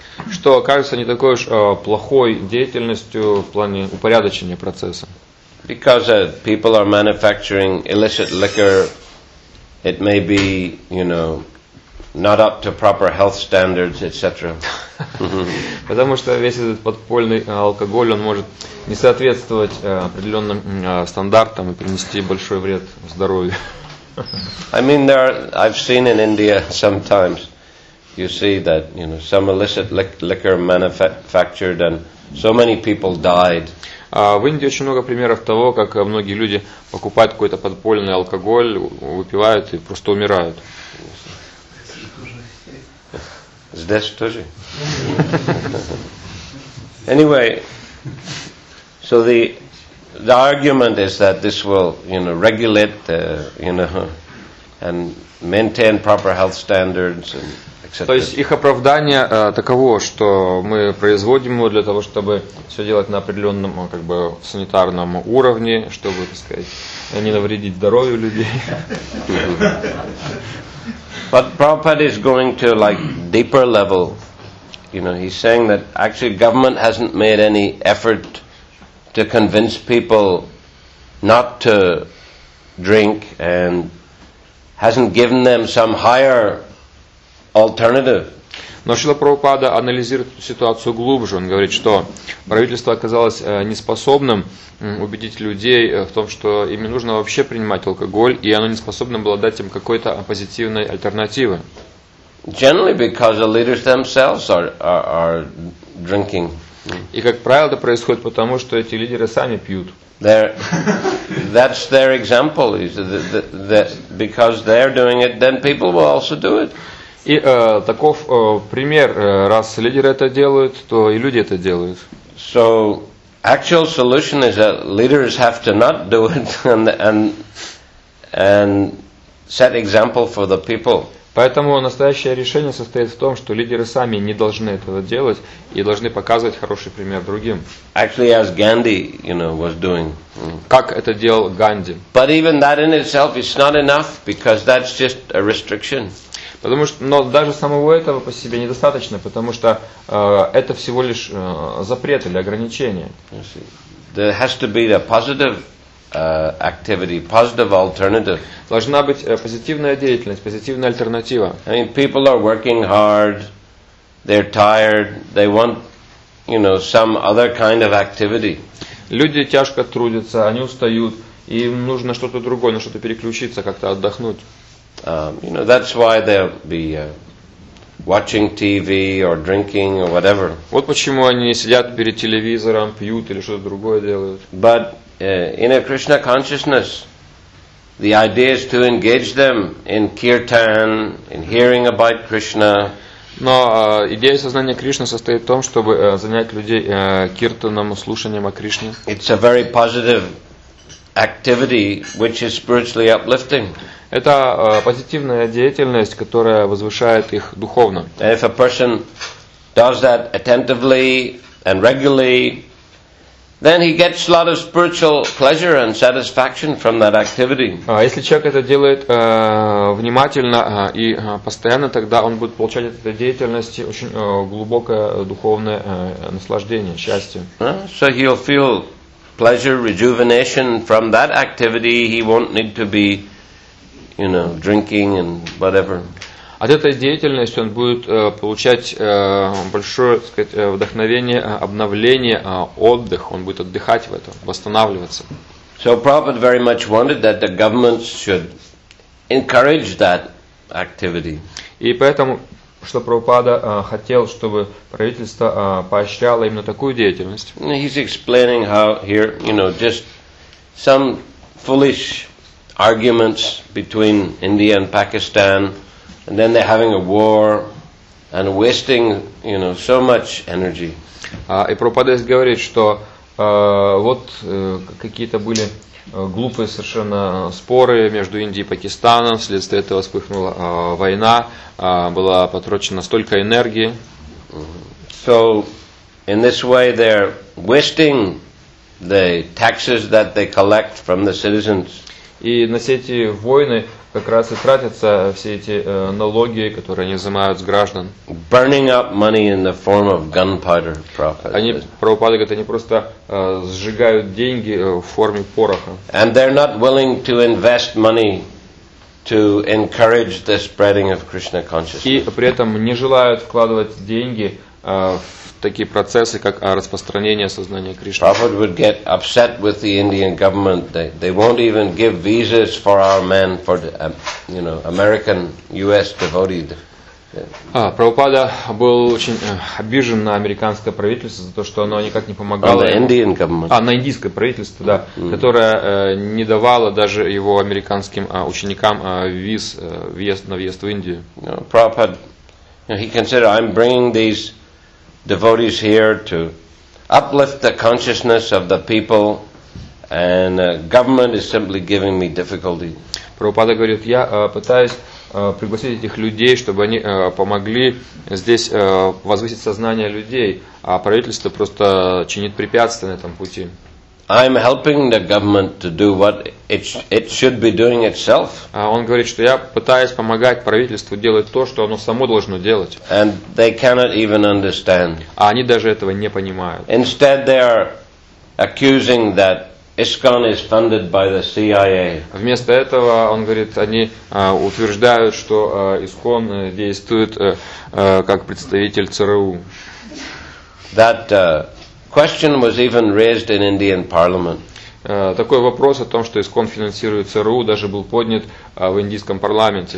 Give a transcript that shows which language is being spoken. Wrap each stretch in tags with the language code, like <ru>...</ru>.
<ru>Что кажется не такой уж плохой деятельностью в плане упорядочения процесса.</ru> <en>Because people are manufacturing illicit liquor, it may be, you know, not up to proper health standards, etc.</en> <ru>Потому что весь этот подпольный алкоголь, он может не соответствовать определенным стандартам и принести большой вред здоровью.</ru> <en>I mean, I've seen in India sometimes. You see that, you know, some illicit liquor manufactured and so many people died.</en> <ru>В Индии очень много примеров того, как многие люди покупают какой-то подпольный алкоголь, выпивают и просто умирают. Здесь тоже.</ru> <en>Anyway, so the argument is that this will, you know, regulate the, you know, and maintain proper health standards and etc.</en> <ru>То есть их оправдание таково, что мы производим его для того, чтобы все делать на определенном, как бы, санитарном уровне, чтобы, так сказать, не навредить здоровью людей.</ru> <en>But Prabhupada is going to like deeper level. You know, he's saying that actually government hasn't made any effort to convince people not to drink and hasn't given them some higher alternative.</en> <ru>Но Шрила Прабхупада анализирует ситуацию глубже. Он говорит, что правительство оказалось неспособным убедить людей в том, что им не нужно вообще принимать алкоголь, и оно не способно было дать им какой-то позитивной альтернативы.</ru> <en>Generally, because the leaders themselves are drinking.</en> <ru>И как правило, это происходит потому, что эти лидеры сами пьют.</ru> <en>That's their example. Is because they're doing it, then people will also do it.</en> <ru>И таков пример: раз лидеры это делают, то и люди это делают.</ru> <en>So actual solution is that leaders have to not do it and set example for the people.</en> <ru>Поэтому настоящее решение состоит в том, что лидеры сами не должны этого делать и должны показывать хороший пример другим.</ru> <en>Actually, as Gandhi, you know, was doing.</en> <ru>Как это делал Ганди?</ru> <en>But even that in itself is not enough because that's just a restriction.</en> <ru>Потому что, но даже самого этого по себе недостаточно, потому что это всего лишь запрет или ограничение.</ru> <en>There has to be a positive activity, positive alternative.</en> <ru>Должна быть позитивная деятельность, позитивная альтернатива.</ru> <en>I mean, people are working hard, they're tired, they want, you know, some other kind of activity.</en> <ru>Люди тяжко трудятся, они устают, им нужно что-то другое, на что-то переключиться, как-то отдохнуть.</ru> <en>You know, that's why they'll be watching TV or drinking or whatever.</en> <ru>Вот почему они сидят перед телевизором, пьют или что-то другое делают.</ru> <en>But in a Krishna consciousness, the idea is to engage them in kirtan, in hearing about Krishna.</en> <ru>Но идея сознания Кришны состоит в том, чтобы занять людей киртаном, слушанием о Кришне.</ru> <en>It's a very positive activity which is spiritually uplifting.</en> <ru>Это позитивная деятельность, которая возвышает их духовно.</ru> <en>And if a person does that attentively and regularly, then he gets a lot of spiritual pleasure and satisfaction from that activity.</en> <ru>А если человек это делает внимательно и постоянно, тогда он будет получать от этой деятельности очень глубокое духовное наслаждение, счастье.</ru> <en>So he'll feel pleasure, rejuvenation from that activity. He won't need to be, you know, drinking and whatever.</en> <ru>От этой деятельности он будет получать большое, так сказать, вдохновение, обновление, отдых. Он будет отдыхать в этом, восстанавливаться.</ru> <en>So Prabhupada very much wanted that the government should encourage that activity.</en> <ru>И поэтому, что Прабхупада хотел, чтобы правительство поощряло именно такую деятельность.</ru> <en>He's explaining how here, you know, just some foolish arguments between India and Pakistan, and then they're having a war and wasting, you know, so much energy.</en> <ru>И Прабхупада говорит, что вот какие-то были глупые совершенно споры между Индией и Пакистаном, вследствие этого вспыхнула война, была потрачена столько энергии.</ru> <en>So in this way they're wasting the taxes that they collect from the citizens.</en> <ru>И на все эти войны как раз и тратятся все эти налоги, которые они взимают с граждан.</ru> <en>Burning up money in the form of gunpowder, Prabhupada.</en> <ru>Они, Прабхупада говорит, они просто сжигают деньги в форме пороха.</ru> <en>And they're not willing to invest money to encourage the spreading of Krishna consciousness.</en> <ru>И при этом не желают вкладывать деньги в такие процессы, как распространение сознания Кришны.</ru> <en>Prabhupada would get upset with the Indian government. They won't even give visas for our men, for the, you know, American, US devotees.</en> <ru>Прабхупада был очень обижен на американское правительство за то, что оно никак не помогало. На индийское правительство, да, которое не давало даже его американским ученикам виз на въезд в Индию.</ru> <en>Прабхупада, he considered, I'm bringing these devotees here to uplift the consciousness of the people, and government is simply giving me difficulty.</en> <ru>Прабхупада говорит, я пытаюсь пригласить этих людей, чтобы они помогли здесь возвысить сознание людей, а правительство просто чинит препятствия на этом пути.</ru> <en>I'm helping the government to do what it should be doing itself.</en> <ru>Он говорит, что я пытаюсь помогать правительству делать то, что оно само должно делать.</ru> <en>And they cannot even understand.</en> <ru>А они даже этого не понимают.</ru> <en>Instead, they are accusing that ISKCON is funded by the CIA.</en> <ru>Вместо этого, он говорит, они утверждают, что ISKCON действует как представитель ЦРУ.</ru> <en>That question was even raised in Indian Parliament.</en> <ru>Такой вопрос о том, что ISKCON финансирует ЦРУ, даже был поднят в индийском парламенте.</ru>